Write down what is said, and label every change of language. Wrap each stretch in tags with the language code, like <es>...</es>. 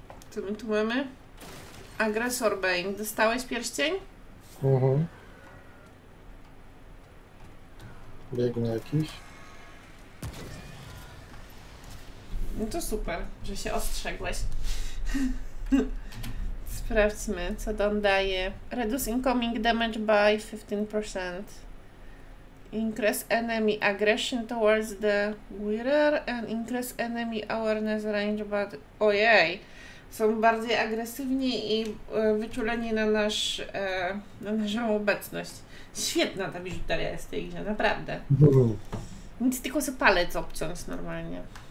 <pl>Co my tu mamy? Agresor Bane. Dostałeś pierścień? Biegnie jakiś. No to super, że się ostrzegłeś. Sprawdźmy, co on daje.</pl> <en>Reduce incoming damage by 15%. Increase enemy aggression towards the wearer and increase enemy awareness range but...</en> <pl>Ojej! Są bardziej agresywni i wyczuleni na naszą obecność. Świetna ta biżuteria jest w tej grze, naprawdę. Nic, tylko sobie palec obciąć normalnie.</pl>